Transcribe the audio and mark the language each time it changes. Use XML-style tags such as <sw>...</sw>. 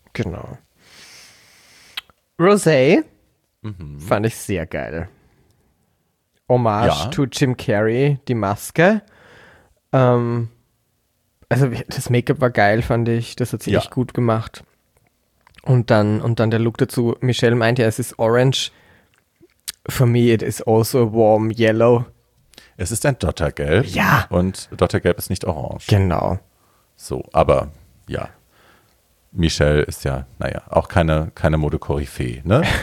<de>Genau. Rosé fand ich sehr geil. Hommage to Jim Carrey, die Maske. Also das Make-up war geil, fand ich. Das hat sie echt gut gemacht. Und dann der Look dazu. Michelle meinte ja, es ist orange.</de> <en>For me it is also a warm yellow.</en> <de>Es ist ein Dottergelb. Ja. Und Dottergelb ist nicht orange. Genau. So, aber ja. Michelle ist ja, naja, auch keine Mode-Koryphäe, ne?</de>